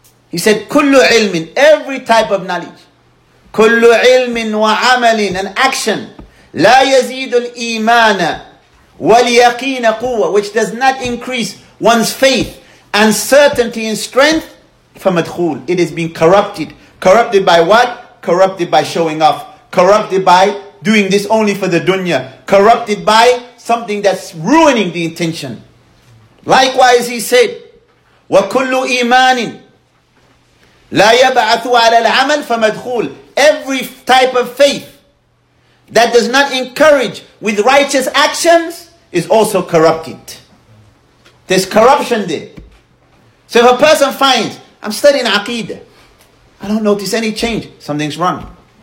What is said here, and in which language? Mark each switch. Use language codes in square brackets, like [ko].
[en] He said, [ar] كُلُّ عِلْمٍ, [en] every type of knowledge, [ar] كُلُّ عِلْمٍ وَعَمَلٍ, [en] an action, [ar] لَا يَزِيدُ الْإِيمَانَ وَلْيَقِينَ قُوَّةٍ, [en] which does not increase one's faith and certainty in strength, [ar] فَمَدْخُولٍ, [en] it has been corrupted. Corrupted by what? Corrupted by showing off. Corrupted by doing this only for the dunya. Corrupted by something that's ruining the intention. Likewise, he said, [ar] وَكُلُّ إِيمَانٍ لَا يَبْعَثُ عَلَى الْعَمَلِ فَمَدْخُولٍ. [en] Every type of faith that does not encourage with righteous actions is also corrupted. There's corruption there. So if a person finds, I'm studying aqeedah, I don't notice any change, something's wrong.